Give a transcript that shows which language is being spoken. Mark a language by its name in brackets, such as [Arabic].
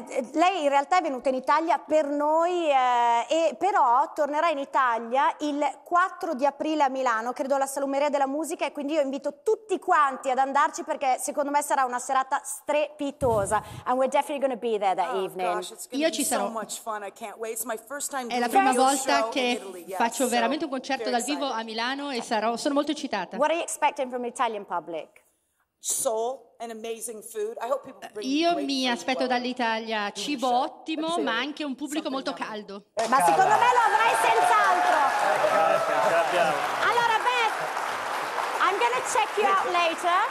[Italian] Lei in realtà è venuta in Italia per noi, e però tornerà in Italia il 4 di aprile a Milano, credo alla Salumeria della Musica, e quindi io invito tutti quanti ad andarci perché secondo me sarà una serata strepitosa. [English] And we're definitely going to be there that evening. [Italian] Io ci sarò. È la prima volta che faccio veramente un concerto dal vivo a Milano e sono molto eccitata. [English] What are you expecting from the Italian public? Soul and amazing food. I hope people bring [Italian] io mi aspetto well. Dall'Italia cibo ottimo, ma anche un pubblico molto caldo. Ma secondo me lo avrai senz'altro. [English] Allora, Beth, I'm gonna check you out later.